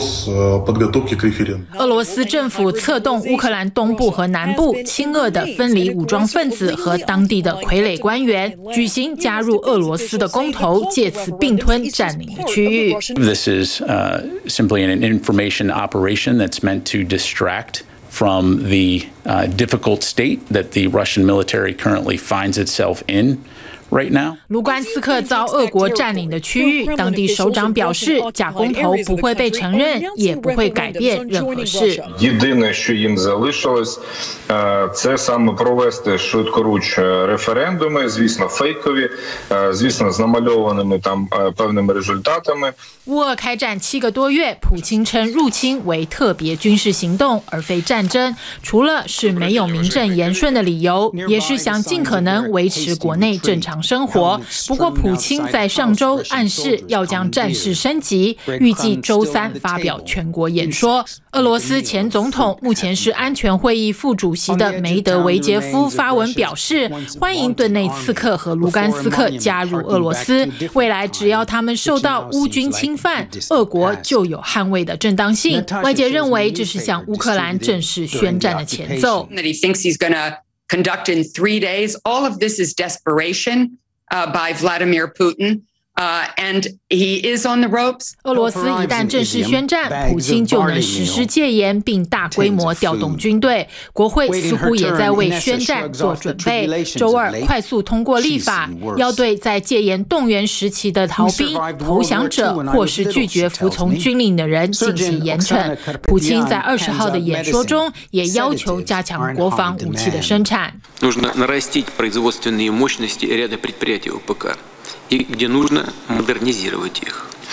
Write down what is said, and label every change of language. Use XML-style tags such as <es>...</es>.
<zh>俄罗斯政府策动乌克兰东部和南部亲俄的分离武装分子和当地的傀儡官员举行加入俄罗斯的公投，借此并吞占领的区域。</zh> <en>This is simply an information operation that's meant to distract from the difficult state that the Russian military currently finds itself in. Right、now.</en> <zh>卢甘斯克遭俄国占领的区域，当地首长表示，假公投不会被承认，也不会改变任何事。</zh> <uk>Єдине, що їм залишилось, це саме провести швидкоруч референдуми, звісно, фейкові, звісно, з намальованими там певними результатами.</uk> <zh>乌俄开战七个多月，普京称入侵为特别军事行动，而非战争。除了是没有名正言顺的理由，也是想尽可能维持国内正常。生活。不过普京在上周暗示要将战事升级，预计周三发表全国演说。俄罗斯前总统，目前是安全会议副主席的梅德韦杰夫发文表示，欢迎顿内茨克和卢甘斯克加入俄罗斯，未来只要他们受到乌军侵犯，俄国就有捍卫的正当性。外界认为这是向乌克兰正式宣战的前奏。</zh> <en>Conduct in 3 days. All of this is desperation, by Vladimir Putin. And he is on the ropes.</en> <zh>俄罗斯一旦正式宣战，普京就能实施戒严，并大规模调动军队。国会似乎也在为宣战做准备。周二快速通过立法，要对在戒严动员时期的逃兵、投降者或是拒绝服从军令的人进行严惩。普京在20号的演说中也要求加强国防武器的生产。</zh> <ru>Нужно нарастить производственные мощности ряда предприятий ОПК. И где нужно модернизировать их.</ru>